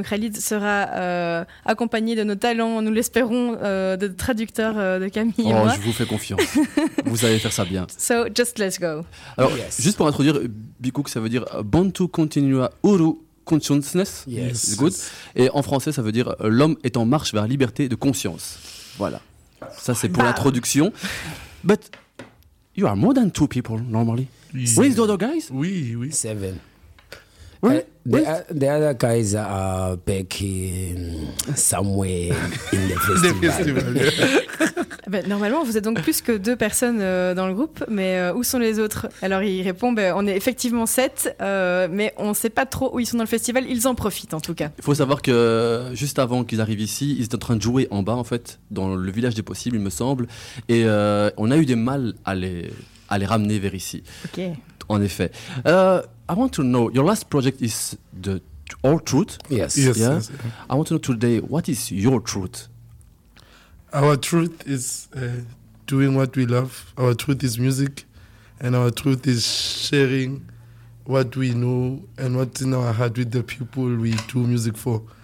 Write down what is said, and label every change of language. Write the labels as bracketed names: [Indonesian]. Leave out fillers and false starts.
[French] Donc Khalid sera accompagné de nos talents, nous l'espérons, de traducteur de Camille. Oh, je vous fais confiance. Vous allez faire ça bien. [English] So just let's go. [French] Alors, [English] yes. [French] Juste pour introduire, Bikouk, ça veut dire Bantu Continua Uru. [English] Consciousness, yes, good. Yes. [French] Et en français, ça veut dire l'homme est en marche vers la liberté de conscience. Voilà. Ça, c'est pour l'introduction. [English] But you are more than two people normally. Yeah. Where's the other guys? [French] Oui, oui. [English] Seven. Really? The other guys are back in somewhere in the festival. The festival, yeah. [French] Ben, normalement, vous êtes donc plus que deux personnes dans le groupe, mais où sont les autres? Alors, il répond, ben, on est effectivement sept, mais on ne sait pas trop où ils sont dans le festival. Ils en profitent, en tout cas. Il faut savoir que juste avant qu'ils arrivent ici, ils étaient en train de jouer en bas, en fait, dans le village des possibles, il me semble. Et on a eu des mal à les ramener vers ici. Ok. En effet. [English] I want to know, your last project is the All Truth. Yes. Yes, yeah? Yes. I want to know today, what is your truth? Our truth is doing what we love. Our truth is music, and our truth is sharing what we know and what's in our heart with the people we do music for.